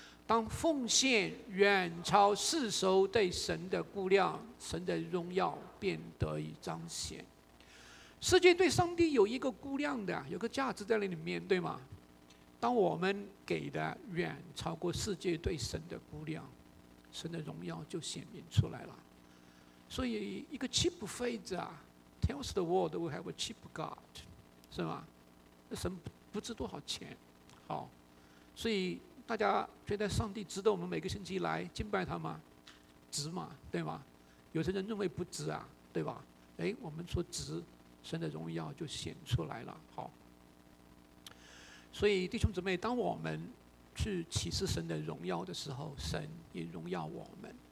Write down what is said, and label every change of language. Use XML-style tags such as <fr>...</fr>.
<zh>当奉献远超世俗对神的估量，神的荣耀便得以彰显。世界对上帝有一个估量的，有个价值在那里面，对吗？当我们给的远超过世界对神的估量，神的荣耀就显明出来了。所以一个</zh> <en>cheap faith 啊， tells the world we have a cheap God，</en> <zh>是吗？那神不值多少钱。好，所以大家觉得上帝值得我们每个星期来敬拜他吗？值吗？对吗？有些人认为不值啊，对吧？哎，我们说值，神的荣耀就显出来了。好，所以弟兄姊妹，当我们去启示神的荣耀的时候，神也荣耀我们。</zh>